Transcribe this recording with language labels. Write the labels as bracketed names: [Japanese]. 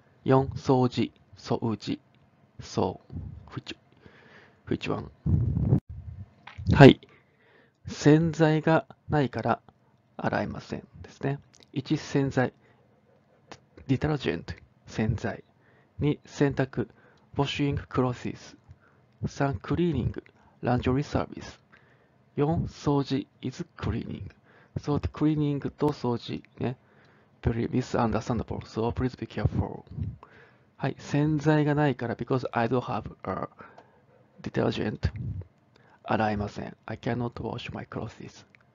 [Japanese] 4、掃除、掃除。そう。1番。はい。洗剤がないから洗えませんですね。 1、洗剤、ディタルジェント、洗剤。 [English] 2、洗濯、washing clothes。 3. [Japanese] クリーニング、ランジョリーサービス。 4. [English] 掃除、is cleaning. So, cleaning [Japanese] と掃除ね。 [English] Very misunderstandable. So, please be careful. はい。 [Japanese] 洗剤がないから、 [English] because I don't have a detergent. [Japanese] 洗えません。 [English] I cannot wash my clothes.